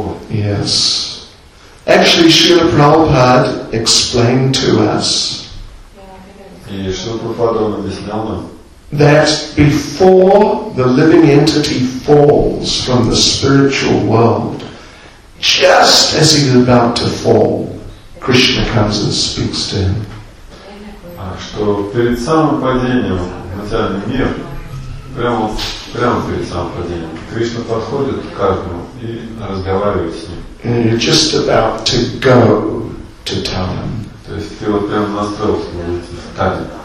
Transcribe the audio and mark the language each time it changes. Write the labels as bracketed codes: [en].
[en] Yes. Actually, Srila Prabhupada explained to us that before the living entity falls from the spiritual world, just as he's about to fall, Krishna comes and speaks to him. [ru] Что перед самым падением в материальный мир, прямо перед самым падением, Кришна подходит к каждому и разговаривает с ним. [en] And you're just about to go to tell him. [ru] То есть ты вот прямо настроился идти в Таллин.